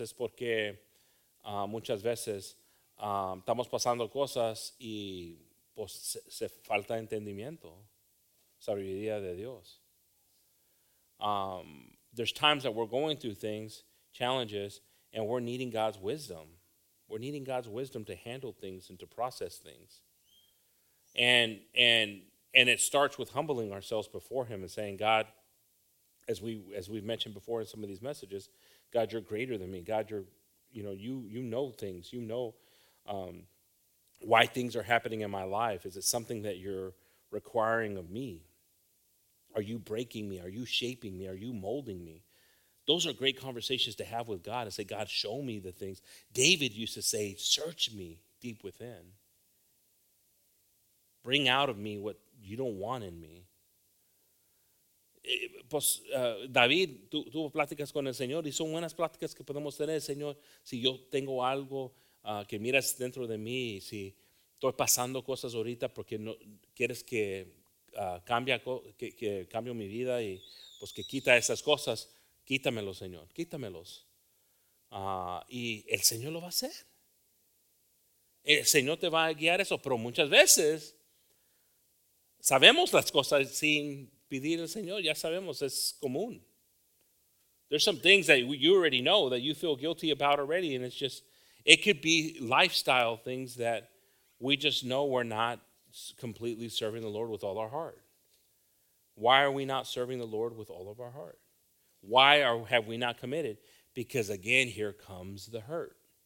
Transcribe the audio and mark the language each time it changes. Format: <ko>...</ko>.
<es>Es porque muchas veces estamos pasando cosas y pues se falta entendimiento, sabiduría de Dios.</es> <en>There's times that we're going through things, challenges, and we're needing God's wisdom. We're needing God's wisdom to handle things and to process things. And it starts with humbling ourselves before Him and saying, God, as we've mentioned before in some of these messages, God, you're greater than me. God, you know things. You know why things are happening in my life. Is it something that you're requiring of me? Are you breaking me? Are you shaping me? Are you molding me? Those are great conversations to have with God and say, God, show me the things. David used to say, search me deep within. Bring out of me what you don't want in me.</en> <es>Pues, David tuvo pláticas con el Señor y son buenas pláticas que podemos tener, Señor. Si yo tengo algo que miras dentro de mí, si estoy pasando cosas ahorita porque no quieres que cambie mi vida y pues que quita esas cosas, quítamelos, Señor, quítamelos. Y el Señor lo va a hacer. El Señor te va a guiar eso, pero muchas veces sabemos las cosas sin pedir al Señor, ya sabemos, es común.</es> <en>There's some things that you already know that you feel guilty about already, and it's just, it could be lifestyle things that we just know we're not completely serving the Lord with all our heart. Why are we not serving the Lord with all of our heart? Why have we not committed? Because again, here comes the hurt.</en>